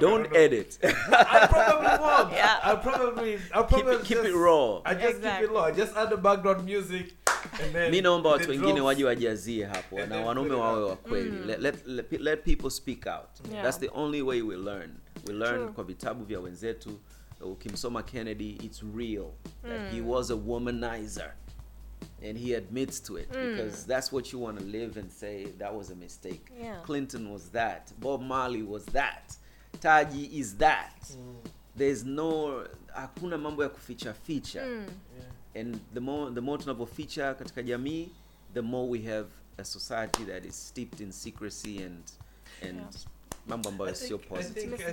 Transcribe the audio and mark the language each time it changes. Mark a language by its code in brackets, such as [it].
[en] Don't edit. I probably won't. Keep it raw. I just keep it raw. I just add the background music. [sw] Mi naomba watu wengine waje wajazie hapo na wanaume wawe wa kweli. [en] Let people speak out. Yeah. That's the only way we learn. We learn [sw] kwa vitabu vya wenzetu. Ukimsoma [en] Kennedy, it's real. That he was a womanizer. And he admits to it because that's what you want to live and say that was a mistake. Yeah. Clinton was that. Bob Marley was that. Taji is that. There's no [sw] hakuna mambo ya kuficha. [en] And the more [sw] tunavyo [en] feature [sw] katika jamii, [en] the more we have a society that is steeped in secrecy and [sw] mambo ambayo sio [en] positive.